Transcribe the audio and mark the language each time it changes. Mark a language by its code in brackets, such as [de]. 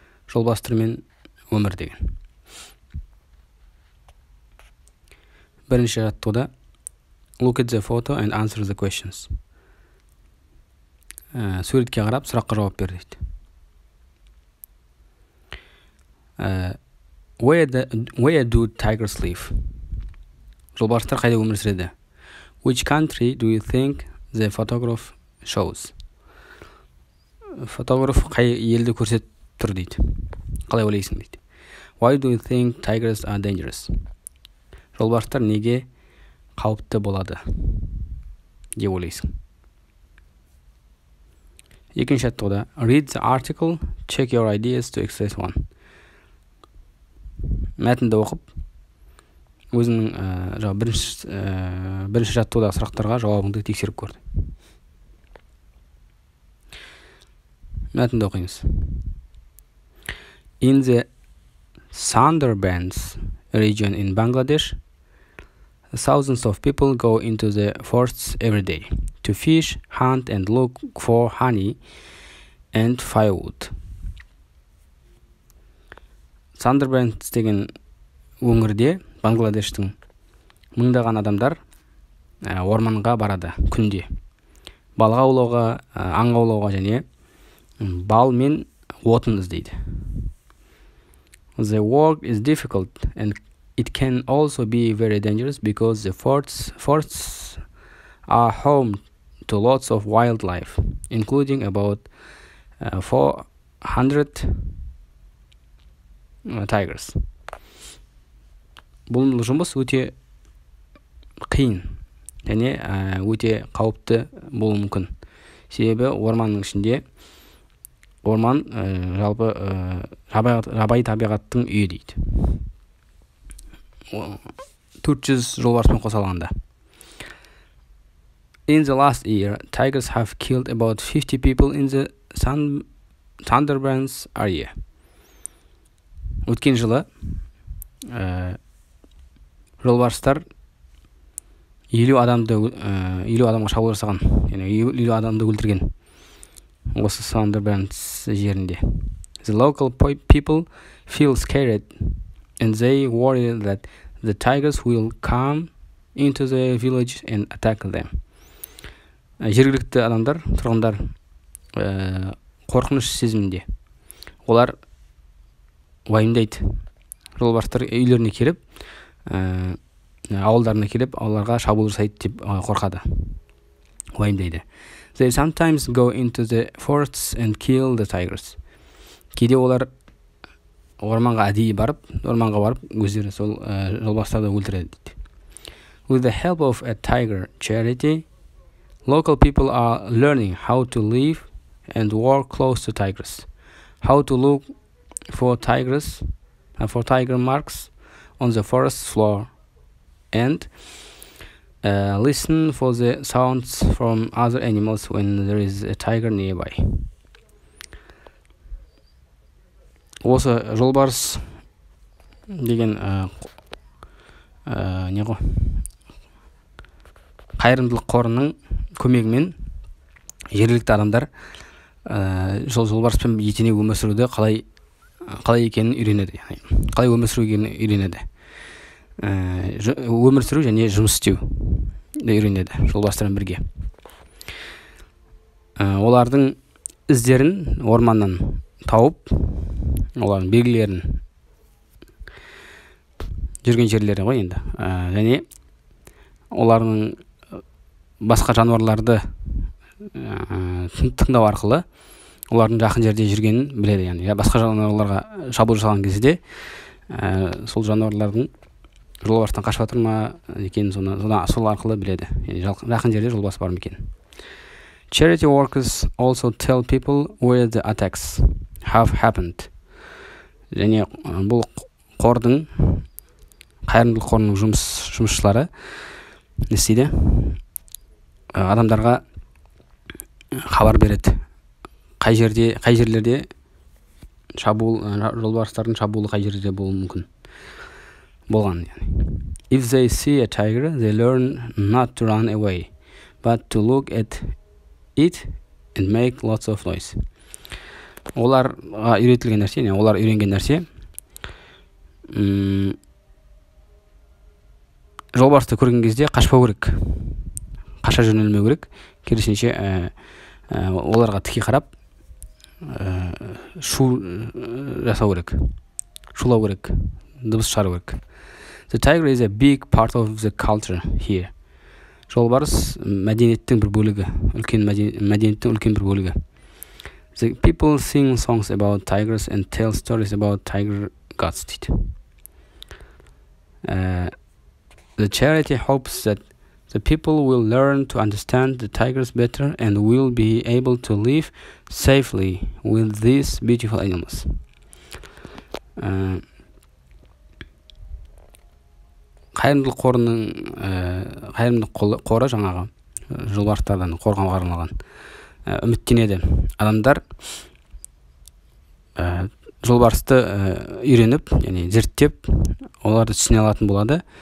[kk] Жолбастырмен өмір деген. Бірінші жаттығыда. [en] Look at the photo and answer the questions. [kk] Суретке қарап, сұраққа жауап бер дейді. [en] Where do tigers live? [kk] Жолбастыр қайда өмір сүреді? [en] Which country do you think the photograph shows? [kk] Фотограф қай елді көрсетіп тұр дейді. Қалай ойлайсың дейді. [en] Why do you think tigers are dangerous? [kk] Жолбарыстар неге қауіпті болады? Деп ойлайсың. Екінші аттығыда. [en] Read the article, check your ideas to access one. [kk] Мәтінді оқып. Өзінің бірінші жаттығыдағы сұрақтарға жауабыңды тексеріп көрді. Мәтінді оқиыңыз. [en] In the Sundarbans region in Bangladesh, thousands of people go into the forests every day to fish, hunt and look for honey and firewood. [kk] Sundarbans деген өңірде Бангладештің мыңдаған адамдар орманға барады күнде. Балға аулауға, аң аулауға және бал мен отын іздейді. [en] The work is difficult and it can also be very dangerous because the forests are home to lots of wildlife, including about 400 tigers. [kk] Бұл жұмыс өте қиын, және өте қауіпті болуы мүмкін. Себебі орманның ішінде, орман жалпы жабайы табиғаттың үйі дейді. 400 жолбарыспен қоса алғанда. [en] In the last year, tigers have killed about 50 people in the Sundarbans area. [kk] Өткен жылы, жолбарыстар 50 адамға шабуыл жасаған, 50 адамды өлтірген осы Сандербенс жерінде. [en] The local people feel scared and they worry that the tigers will come into the village and attack them. [kk] Жергілікті адамдар, тұрғындар қорқыныш сезімінде. Олар уайымдайды. Жолбарыстар үйлеріне келіп, ауылдарына келіп, ауларға шабуыл жасайды деп қорқады. Уайымдайды. [en] They sometimes go into the forests and kill the tigers. [kk] Кейде олар орманға әдейі барып, орманға барып, өздері сол жолбастарды өлтіреді дейді. [en] With the help of a tiger charity, local people are learning how to live and work close to tigers. How to look for tigers and for tiger marks on the forest floor. And listen for the sounds from other animals when there is a tiger nearby. [kk] Осы жолбарыс деген қайырымдылық қорының көмегімен жергілікті адамдар сол жолбарыспен етене өмір сүруді қалай екенін үйренеді. Қалай өмір сүру екенін үйренеді. Өмір сүру және жұмыс істеу үйренеді жолбарыстармен бірге. Олардың іздерін орманнан тауып, олардың белгілерін жүрген жерлері ғой енді. Және олардың басқа жануарларды тыңдау арқылы олардың жақын жерде жүргенін біледі. Яғни басқа жануарларға шабуыл жасаған кезде сол жануарлардың жолбарыстан қашып отыр ма екен, сол арқылы біледі. Жақын жерде жолбарыс бар ма екен. [en] Charity workers also tell people where the attacks have happened. [kk] Және бұл қордың, қайырымдылық қорының жұмысшылары істейді. Адамдарға хабар береді. Қай жерлерде жолбарыстардың шабуылы қай жерде болуы мүмкін. болған. [en] If they see a tiger, they learn not to run away, but to look at it and make lots of noise. [kk] Олар үйретілген нәрсе, не, олар үйренген нәрсе, жолбарысты көрген кезде қашпау керек. Қаша жөнелмеу керек. Керісінше, оларға тіке қарап, шу жасау керек. Шулау керек. Дыбыс шығару керек. [en] The tiger is a big part of the culture here. [kk] Жолбарыс мәдениеттің бір бөлігі, үлкен мәдениеттің үлкен бір бөлігі. [en] The people sing songs about tigers and tell stories about tiger gods. The charity hopes that the people will learn to understand the tigers better and will be able to live safely with these beautiful animals. [kk] Қайырымдылық қорының, қайырымдылық қоры жаңағы жолбарыстардан қорғауға арналған. Үміттенеді. Адамдар жолбарысты үйреніп, яғни зерттеп, оларды түсіне алатын болады.